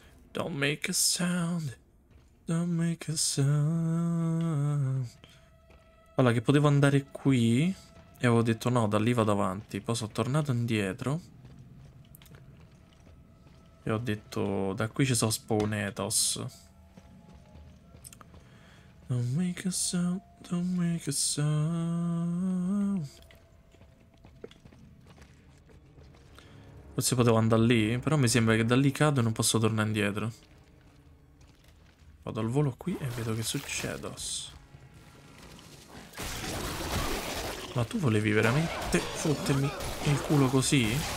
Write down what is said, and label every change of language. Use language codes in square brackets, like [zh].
[en] Don't make a sound. Don't make a sound. [it] Allora, che potevo andare qui e avevo detto no, da lì vado avanti. Poi sono tornato indietro e ho detto da qui ci sono spawn ethos. [en] Don't make a sound, don't make a sound. [it] Forse potevo andare lì, però mi sembra che da lì cado e non posso tornare indietro. Vado al volo qui e vedo che succede. Ma tu volevi veramente fottermi il culo così?